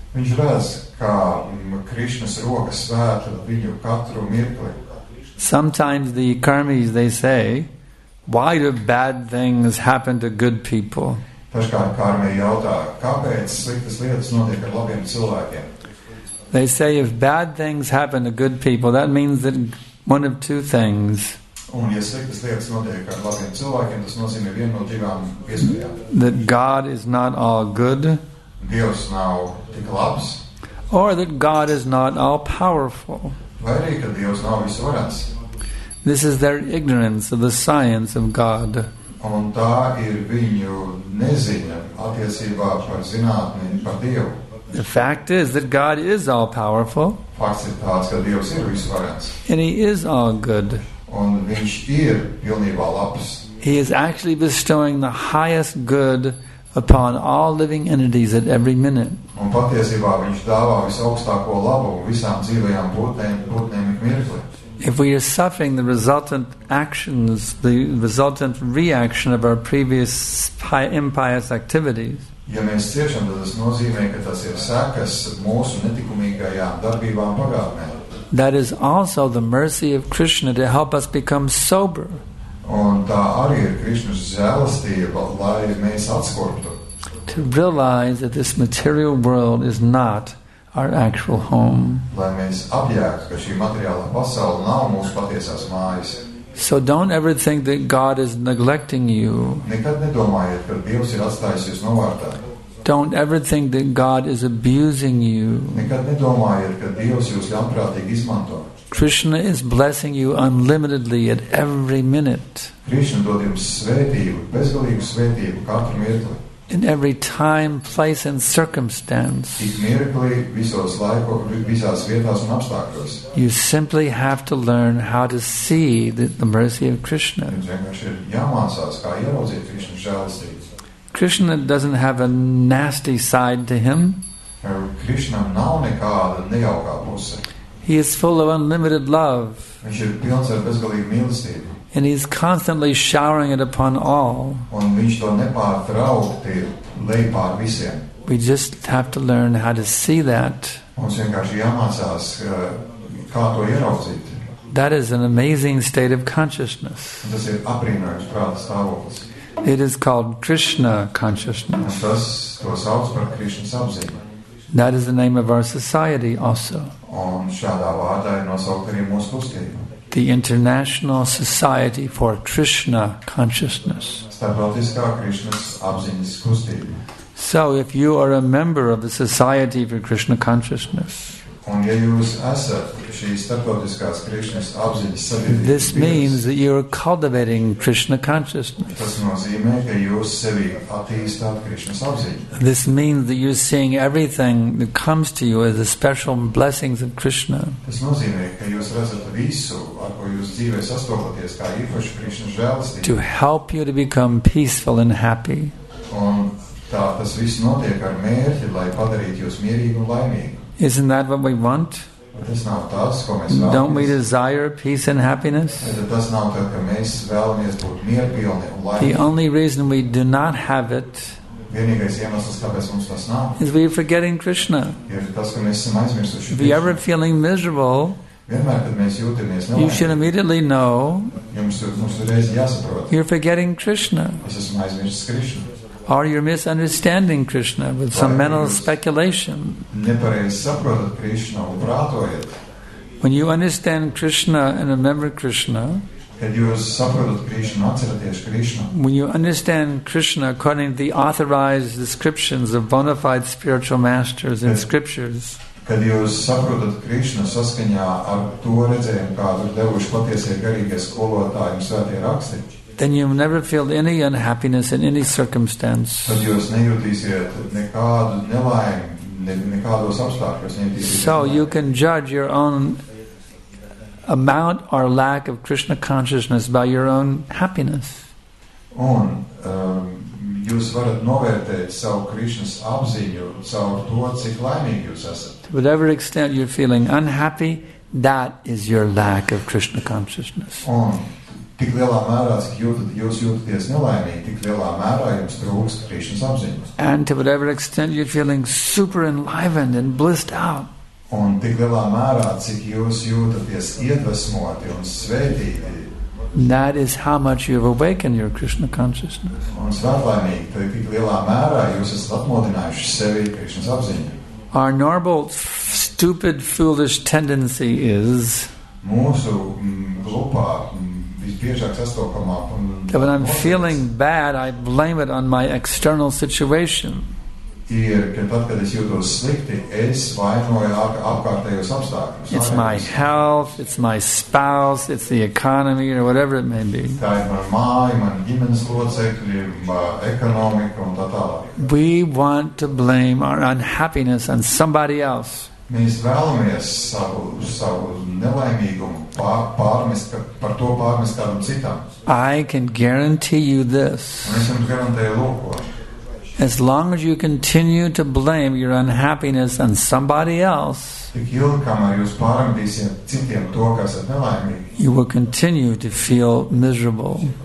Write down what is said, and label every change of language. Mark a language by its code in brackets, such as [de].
[lv] Viņš redz, kā Krišnas rokas svēta viņu katru mirkli. [en] Sometimes the karmis, they say, why do bad things happen to good people? [lv] Dažkārt karmī jautā, kāpēc sliktas lietas notiek ar labiem cilvēkiem? [en] They say, if bad things happen to good people, that means that one of two things. [lv] Un ja sliktas lietas notiek ar labiem cilvēkiem, tas nozīmē vienu no divām iespējām. [en] That God is not all good. [lv] Dievs nav tik labs. [en] Or that God is not all powerful. [lv] Vai arī, ka Dievs nav visvarens. [en] This is their ignorance of the science of God. [lv] Un tā ir viņu neziņa attiecībā par zinātni, par Dievu. [en] The fact is that God is all powerful. [lv] Fakts ir tāds, ka Dievs ir visvarens. [en] And he is all good. [lv] Un viņš ir pilnībā labs. [en] He is actually bestowing the highest good upon all living entities at every minute. [lv] Un patiesībā viņš dāvā visaugstāko labu visām dzīvajām būtnēm ik mirkli. [en] If we are suffering the resultant actions, the resultant reaction of our previous impious activities, [lv] ja mēs ciešam, tad tas nozīmē, ka tas ir sekas mūsu netikumīgajām darbībām pagātnē. [en] That is also the mercy of Krishna to help us become sober. [lv] Un tā arī ir Krišnas žēlastība, lai mēs atskurtu. [en] To realize that this material world is not our actual home. [lv] Lai mēs apjēgtu, ka šī materiālā pasaule nav mūsu patiesās mājas. [en] So don't ever think that God is neglecting you. [lv] Nekad nedomājiet, ka Dievs ir atstājis jūs novārtā. [en] Don't ever think that God is abusing you. [lv] Nekad nedomājiet, ka Dievs jūs ļaunprātīgi izmanto. [en] Krishna is blessing you unlimitedly at every minute. [lv] Krishna dod jums svētību, bezgalīgu svētību katru mirkli. [en] In every time, place and circumstance. [lv] Ik mirkli, visos laikos, visās vietās un apstākļos. [en] You simply have to learn how to see the mercy of Krishna. [lv] Jums vienkārši ir jāmācās, kā ieraudzīt Krishna žēlastību. [en] Krishna doesn't have a nasty side to him. [lv] Krishna nav nekāda nejaukā puse. [en] He is full of unlimited love. [lv] Viņš ir pilns ar bezgalīgu mīlestību. [en] And he is constantly showering it upon all. [lv] Un viņš to nepārtraukti lej pār visiem. [en] We just have to learn how to see that. [lv] Mums vienkārši jāmācās, kā to ieraudzīt. [en] That is an amazing state of consciousness. [lv] Tas ir apbrīnojams prāta stāvoklis. [en] It is called Krishna consciousness. [lv] Un tas to sauc par Krishnas apzīmi. [en] That is the name of our society also. [lv] Un šādā vārdā ir nosaukta arī mūsu kustība. [en] The International Society for Krishna Consciousness. [lv] Starptautiskā Krishnas apziņas kustība. [en] So if you are a member of the Society for Krishna Consciousness, [lv] un ja jūs esat šīs starptautiskās Krishnas apziņas sabiedrības, [en] this means that you are cultivating Krishna Consciousness. [lv] Tas nozīmē, ka jūs sevi attīstāt Krishnas apziņu. [en] This means that you are seeing everything that comes to you as the special blessings of Krishna. [lv] Tas nozīmē, ka jūs redzat visu, ar ko jūs dzīvē sastopaties, kā īpaši Krishna žēlastība. [en] To help you to become peaceful and happy. [lv] Un tā tas viss notiek ar mērķi, lai padarītu jūs mierīgu un laimīgu. [en] Isn't that what we want? [lv] Tas nav tas, ko mēs vēlamies. [en] Don't we desire peace and happiness? [lv] Tas nav tā, ka mēs vēlamies būt mierpilni un laimīgi. [en] The only reason we do not have it, [lv] vienīgais iemesls, kāpēc mums tas nav, [en] is we are forgetting Krishna. [lv] Ir tas, ka mēs esam aizmirsuši Krishna. [en] If you're ever feeling miserable, [lv] vienmēr, kad mēs jūtamies nelaimīgi, [en] you should immediately know, [lv] mums reiz jāsaprot, [en] you're forgetting Krishna. [lv] Es esmu aizmirsis Krishna. [en] Or you're misunderstanding Krishna with some mental speculation. [lv] Nepareizi saprotat Krishna un prātojat. [en] When you understand Krishna and remember Krishna, when you understand Krishna according to the authorized descriptions of bona fide spiritual masters in scriptures, [lv] kad jūs saprotat Krishna saskaņā ar to redzējumu, kādu devuši patiesie garīgie skolotāji un svētie raksti, [en] then you never feel any unhappiness in any circumstance. [lv] Tad jūs nejūtīsiet nekādu nelaimi, nekādos apstākļos. [en] So you can judge your own amount or lack of Krishna consciousness by your own happiness. [lv] Un jūs varat novērtēt savu Krishnas apziņu, savu to, cik laimīgi jūs esat. [en] To whatever extent you're feeling unhappy, that is your lack of Krishna consciousness. [lv] Un tik lielā mērā, cik jūs jūtaties nelaimīgi, tik lielā mērā jums trūkst Krishnas apziņas. [en] And to whatever extent you're feeling super enlivened and blissed out, [lv] un tik lielā mērā, cik jūs jūtaties iedvesmoti un svētīti, [en] that is how much you have awakened your Krishna consciousness. [lv] Un svētlaimīgi, tik lielā mērā jūs esat atmodinājuši sevi Krishnas apziņu. [en] Our normal stupid foolish tendency is [lv] mūsu glupā visbiežāk sastopamā, [en] that when I'm feeling bad, I blame it on my external situation. [lv] Ir, kad tad, kad es jūtos slikti, es vainoju apkārtējos apstākļus. [en] It's my health, it's my spouse, it's the economy, or whatever it may be. [lv] Tā ir man māja, man ģimenes locekļi, ekonomika un tā tālāk. [en] We want to blame our unhappiness on somebody else. [lv] Mēs vēlamies savu nelaimīgumu pārmest kādam citam. [en] I can guarantee you this. [lv] Un es jums garantēju lūko. [en] As long as you continue to blame your unhappiness on somebody else, you will continue to feel miserable.